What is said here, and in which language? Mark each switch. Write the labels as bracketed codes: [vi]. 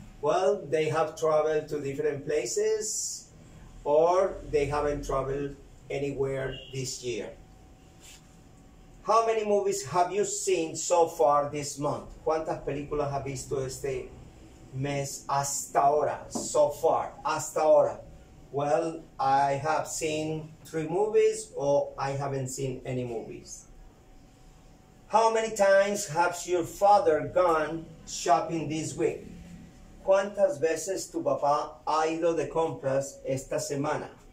[en] Well, they have traveled to different places, or they haven't traveled anywhere this year. How many movies have you seen so far this month? [es] ¿Cuántas películas has visto este mes hasta ahora? [en] So far, [es] hasta ahora. [en] Well, I have seen 3 movies, or I haven't seen any movies. How many times has your father gone shopping this week? [es] ¿Cuántas veces tu papá ha ido de compras esta semana?